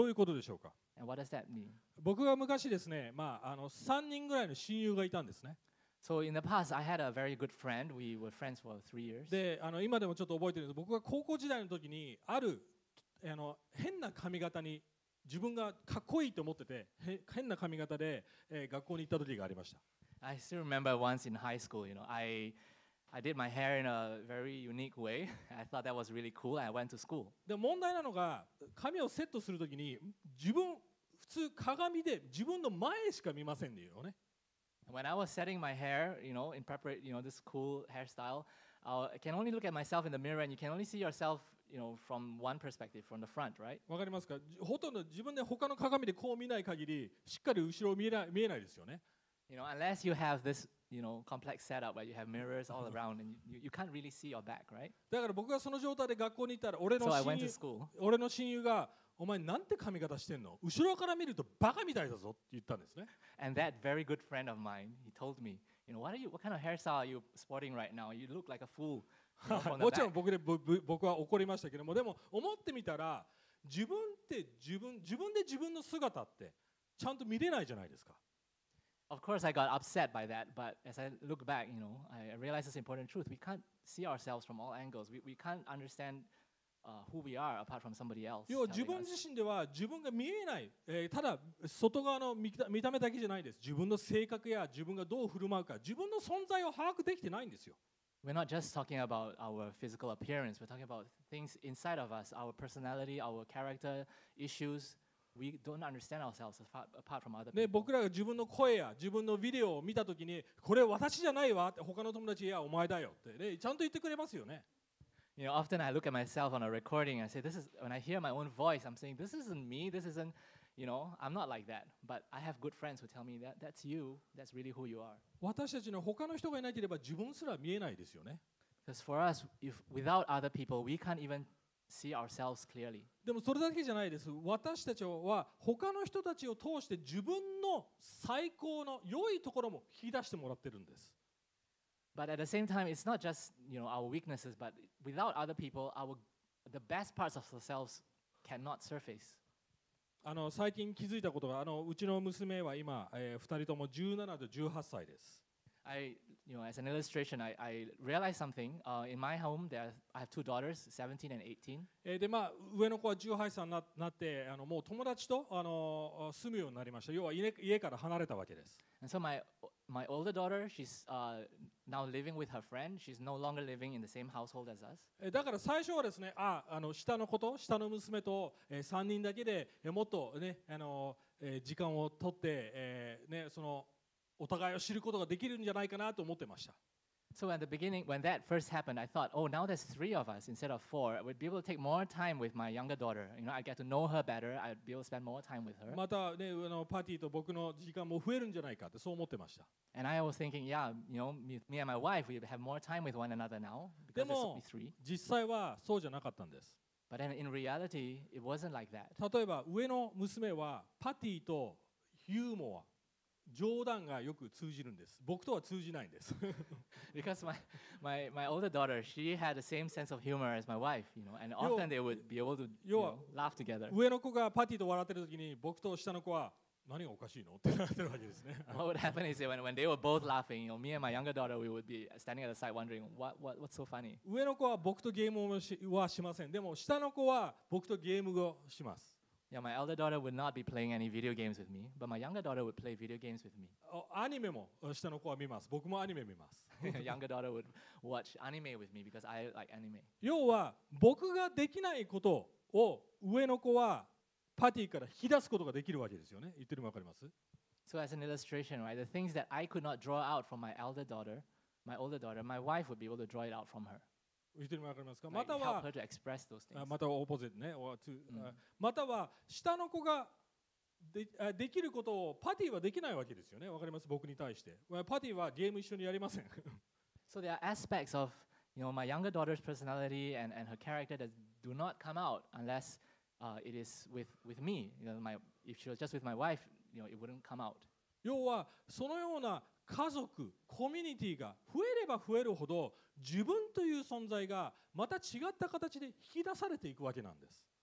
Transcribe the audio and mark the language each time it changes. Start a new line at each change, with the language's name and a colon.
Japanese: どういうことでしょうか？
English: And what does that mean?
Japanese: 僕が昔ですね、3人ぐらいの親友がいたんですね。
English: So in the past, I had a very good friend. We were friends for 3 years.
Japanese: で、今でもちょっと覚えてるんですけど、僕が高校時代の時にある変な髪型に自分がかっこいいと思ってて変な髪型で、学校に行った時がありました。
English: I still remember once in high school, I did my hair in a very unique way. I thought that was really cool. I went to school.
Japanese: で問題なのが髪をセットする時に自分普通鏡で自分の前しか見ませんよね。
English: When I was setting my hair, in preparation, this cool hairstyle, I can only look at myself in the mirror, and you can only see yourself. From one perspective, from the front, right?
Japanese: わかりますか？ほとんど自分で他の鏡でこう見ない限り、しっかり後ろを見えないですよね。
English: Unless you have this you know, complex setup where you have mirrors all around and you can't really see your back, right?
Japanese: だから僕がその状態で学校に行ったら俺の親友、
English: So I went to school.
Japanese: 俺の親友がお前なんて髪型してんの？後ろから見るとバカみたいだぞって言ったんですね。
English: And that very good friend of mine, he told me, you know, what kind of hairstyle are you sporting right now? You look like a fool.
Japanese: もちろん僕は怒りましたけども、でも思ってみたら自分で自分の姿ってちゃんと見れないじゃないですか。
English: Of course, I got upset by that, but as I look back, you know, I realize this important truth. We can't see ourselves from all angles. We can't understand who we are apart from somebody else.
Japanese: 要は自分自身では自分が見えない、ただ外側の見た目だけじゃないです。自分の性格や自分がどう振る舞うか、自分の存在を把握できてないんですよ。
English: We're not just talking about our physical appearance. We're talking about things inside of us, our personality, our character, issues. We don't understand ourselves apart from other people.
Japanese: ね、僕らが自分の声や自分のビデオを見たときに、これ私じゃないわって他の友達やお前だよって、ね、ちゃんと言ってくれますよね。
English: You know, often I look at myself on a recording and say, this is, when I hear my own voice, I'm saying, this isn't me, this isn't, you know, I'm not like that. But I have good friends who tell me that, that's you, that's really who you are.
Japanese: 私たちの他の人がいなければ自分すら見えないですよね。
English: Because for us, if without other people, we can't even see ourselves clearly.
Japanese: でもそれだけじゃないです。私たちは他の人たちを通して自分の最高の良いところも引き出してもらってるんです。
English: But at the same time, it's not just, you know, our weaknesses, but without other people, the best parts of ourselves cannot surface.
Japanese: 最近気づいたことが、うちの娘は今、2人とも17と18歳です。
English: I, you know, as an illustration, I realized something. In my home, I have two daughters, 17 and 18.
Japanese: で、まあ、上の子は18歳になって、もう友達と住むようになりました。要は家から離れたわけです。
English: And so my older daughter, she's now living with her friend. She's no longer living in the same household as us.
Japanese: だから最初はですね、下の子と下の娘と3人だけでもっとね、時間を取って、ね、その、お互いを知ることができるんじゃないかなと思ってました。
English: So at the beginning, when that first happened, I thought, oh, now there's three of us instead of four. I would be able to take more time with my younger daughter. You know, I'd get to know her better. I'd be able to spend more time with her.
Japanese: またね、パティと僕の時間も増えるんじゃないかってそう思ってました。
English: And I was thinking, yeah, you know, me and my wife, we have more time with one another now.
Japanese: でも、
English: be three.
Japanese: 実際はそうじゃなかったんです。
English: But then in reality, it wasn't like that.
Japanese: 例えば上の娘はパティとユーモア。冗談がよく通じるんです。僕とは通じないんです。
English: Because my older daughter, she had the same sense of humor as my wife, you know, and often they would be able to, you know, laugh together.
Japanese: 上の子がパティと笑ってる時に、僕と下の子は何がおかしいのってなってるわけですね。
English: What would happen is when they were both laughing, you know, me and my younger daughter, we would be standing at the side wondering what's so funny.
Japanese: 上の子は僕とゲームはしません。でも下の子は僕とゲームをします。
English: Yeah, my elder daughter would not be playing any video games with me, but my younger daughter would play video games with me.
Japanese: アニメも下の子は見ます。僕もアニメ見ます。
English: Younger daughter would watch anime with me because I like anime.
Japanese: 要は僕ができないことを上の子はパティから引き出すことができるわけですよね。言ってるのわかります？
English: So as an illustration, right, the things that I could not draw out from my elder daughter, my older daughter, my wife would be able to draw it out from her.
Japanese: 言ってもわかりますか。または、またはオポジットね、または下の子が できることをパティはできないわけですよね。わかります。僕に対して、パティはゲーム一緒にやりません。
English: So there are aspects of, you know, my younger daughter's personality and her character that do not come out unless it is with me. You know, if she was just with my wife, you know, it wouldn't come out.
Japanese: 要はそのような家族、コミュニティが増えれば増えるほど自分という存在がまた違った形で引き出されていくわけなんです。